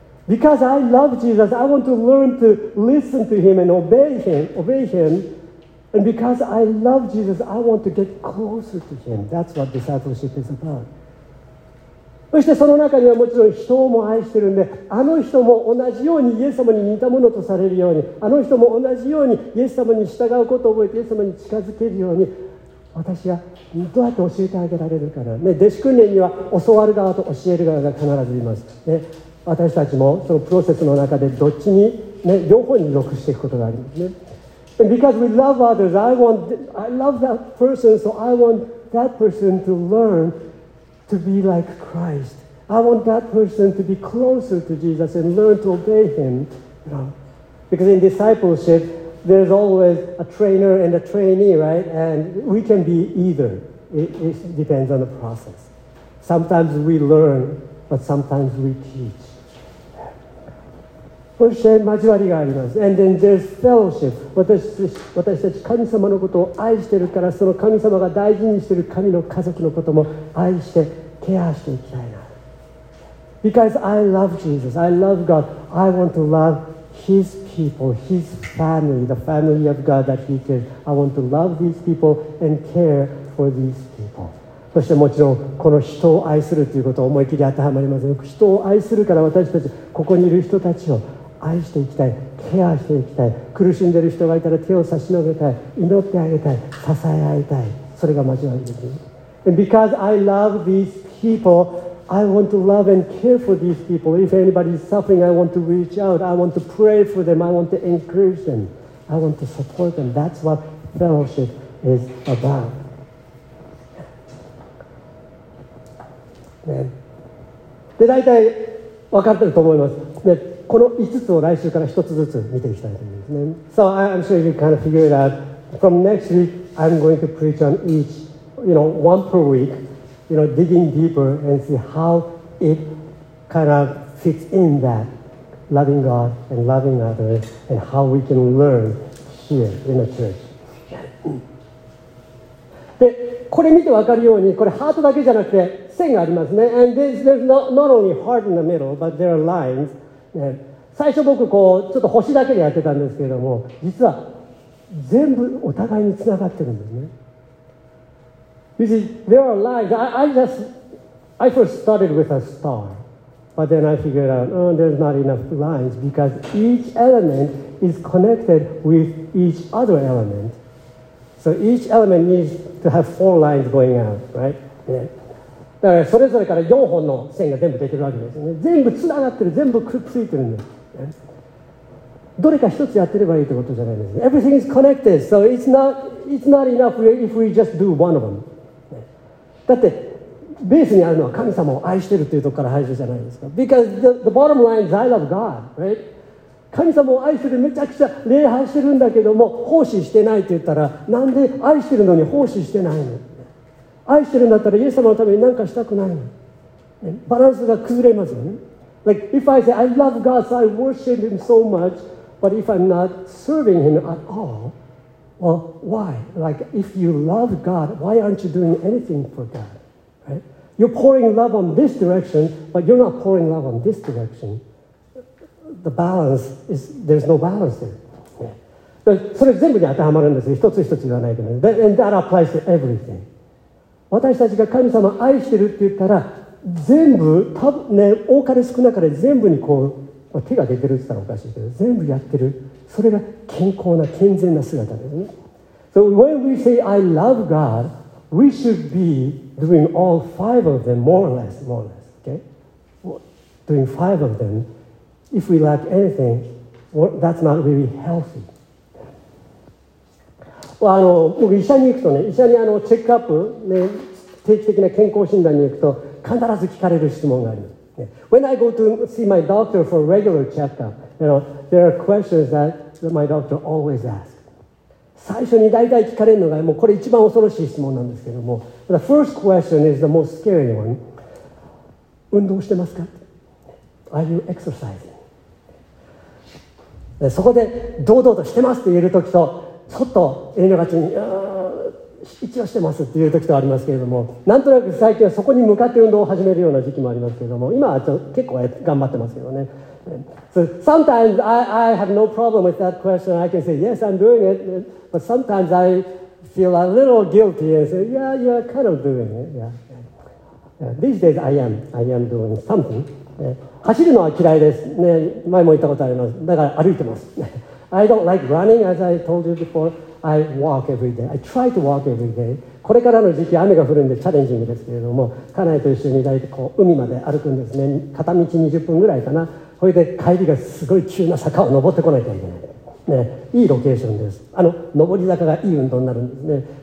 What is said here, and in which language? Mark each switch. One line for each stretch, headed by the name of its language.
English: Because I love Jesus, I want to learn to listen to Him and obey Him. And because I love Jesus, I want to get closer to Him. That's what discipleship is about.
Japanese: そしてその中にはもちろん人をも愛してるんで、あの人も同じようにイエス様に似たものとされるように、あの人も同じようにイエス様に従うことを覚えてイエス様に近づけるように、私はどうやって教えてあげられるかな、ね、弟子訓練には教わる側と教える側が必ずいます、ね、私たちもそのプロセスの中でどっちに、ね、両方に属していくことがありますね。
English: And because we love others, I love that person, so I want that person to learn to be like Christ. I want that person to be closer to Jesus and learn to obey Him. Because in discipleship, there's always a trainer and a trainee, right? And we can be either. It depends on the process. Sometimes we learn, but sometimes we teach.
Japanese: そして交わりがあります。
English: And then there's fellowship.
Japanese: 私たち神様のことを愛してるから、その神様が大事にしている神の家族のことも愛してケアしていきたいな。
English: Because I love Jesus, I love God, I want to love His people, His family, the family of God that He gives. I want to love these people and care for these people.
Japanese: そしてもちろんこの人を愛するということを思い切り当てはまります。人を愛するから私たちここにいる人たちを愛していきたい、ケアしていきたい、苦しんでいる人がいたら手を差し伸べたい、祈ってあげたい、支え合いたい、それが交わりです。
English: And because I love these people, I want to love and care for these people. If anybody is suffering, I want to reach out. I want to pray for them. I want to encourage them. I want to support them. That's what fellowship is about
Japanese: ね、で大体分かってると思います、ね、この5つを来週から1つずつ見ていきたいと思いますね。
English: So I'm sure you kind of figure it out. From next week I'm going to preach on each, you know, one per week, you know, digging deeper and see how it kind of fits in that loving God and loving others and how we can learn here in the church.
Japanese: でこれ見て分かるように、これハートだけじゃなくて線がありますね。
English: And there's not only heart in the middle, but there are lines.、
Japanese: ね、最初僕こうちょっと星だけでやってたんですけれども、実は全部お互いにつながってるんですね。
English: You see, there are lines. I first started with a star, but then I figured out, oh, there's not enough lines because each element is connected with each other element. So each element needs to have four lines going out, right?、Yeah.
Japanese: だからそれぞれから4本の線が全部出てるわけですよね。全部つながってる、全部くっついてるんです。どれか一つやってればいいってことじゃないです。
English: Everything is connected, so it's not enough if we just do one of them.
Japanese: だってベースにあるのは神様を愛してるというところから始まるじゃないですか。
English: Because the bottom line is I love God, right?
Japanese: 神様を愛するめちゃくちゃ礼拝してるんだけども奉仕してないって言ったら、なんで愛してるのに奉仕してないの、愛してるんだったらイエス様のために何かしたくないの、ね、バランスが崩れますよね。
English: Like if I say I love God, so I worship him so much, but if I'm not serving him at all, well why? Like if you love God, why aren't you doing anything for God? You're pouring love on this direction, but you're not pouring love on this direction. The balance is, there's no balance there.、Yeah.
Japanese: それ全部に当てはまるんですよ。一つ一つ言わないけど、ね。
English: And that applies to everything.
Japanese: 私たちが神様を愛してるって言ったら、全部、多分ね、多かれ少なかれ全部にこう、まあ、手が出てるって言ったらおかしいけど、全部やってる。それが健康な、健全な姿ですね。
English: So when we say, I love God,We should be doing all five of them, more or less, okay? Doing five of them, if we lack anything, that's not really healthy.
Japanese: Well, 僕医者に行くとね、医者にチェックアップ、ね、定期的な健康診断に行くと、必ず聞かれる質問があります。
English: Okay? When I go to see my doctor for a regular checkup, you know, there are questions that my doctor always asks.
Japanese: 最初に大体聞かれるのが、もうこれ一番恐ろしい質問なんですけども、
English: The first question is the most scary one.
Japanese: 運動してますか?
English: Are you exercising?
Japanese: でそこで堂々としてますって言える時と、ちょっと遠慮がちに、一応してますって言える時とありますけれども、なんとなく最近はそこに向かって運動を始めるような時期もありますけれども、今はちょっと結構頑張ってますけどね。
English: So sometimes I have no problem with that question. I can say, yes, I'm doing it. But sometimes I feel a little guilty and say, yeah, you're kind of doing it. Yeah. These days I am doing something.
Japanese: 走るのは嫌いです。ね、前も言ったことあります。だから歩いてます。
English: I don't like running, as I told you before. I walk every day. I try to walk every day.
Japanese: これからの時期雨が降るんでチャレンジングですけれども、家内と一緒に大体こう海まで歩くんですね。片道20分ぐらいかな。それで帰りがすごい急な坂を登ってこないといけない。ね、いいロケーションです。登り坂がいい運動になるんですね。